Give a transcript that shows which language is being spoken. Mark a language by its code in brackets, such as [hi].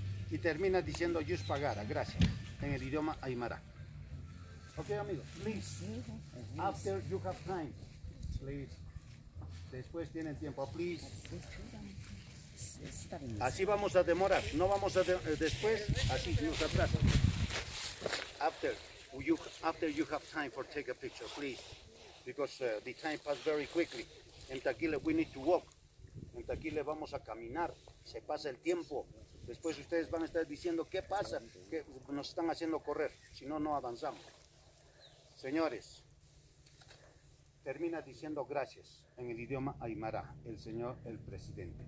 [es] Y termina diciendo yus pagara, gracias, en el idioma aymara. [en] Ok, amigos, please, after you have time, please, [es] después tienen tiempo, [en] please. [es] Así vamos a demorar, no vamos a después, así nos atrasa. [en] After you have time for take a picture, please, because the time passed very quickly. [es] En Taquile [en] we need to walk, [es] en Taquile vamos a caminar, se pasa el tiempo. Después ustedes van a estar diciendo, ¿qué pasa? Que nos están haciendo correr. Si no, no avanzamos. Señores, termina diciendo gracias en el idioma aymara, el señor, el presidente.